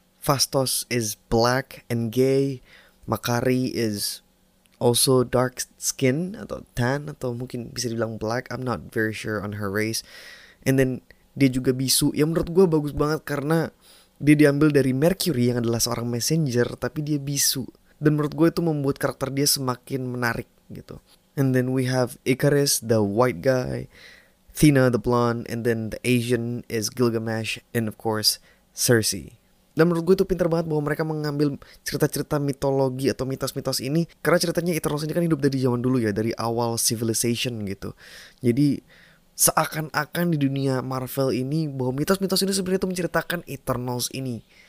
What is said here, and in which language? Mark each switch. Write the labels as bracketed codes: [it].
[en] Phastos is black and gay. Makari is also dark skin [id] atau tan atau mungkin bisa dibilang [en] black. I'm not very sure on her race. And then [id] dia juga bisu. Ya menurut gue bagus banget karena dia diambil dari Mercury yang adalah seorang messenger tapi dia bisu. Dan menurut gue itu membuat karakter dia semakin menarik gitu. [en] And then we have Icarus, the white guy, Athena, the blonde, and then the Asian is Gilgamesh, and of course, Circe. [id] Dan menurut gue itu pintar banget bahwa mereka mengambil cerita-cerita mitologi atau mitos-mitos ini, karena ceritanya Eternals ini kan hidup dari zaman dulu ya, dari awal civilization gitu. Jadi, seakan-akan di dunia Marvel ini, bahwa mitos-mitos ini sebenarnya itu menceritakan Eternals ini.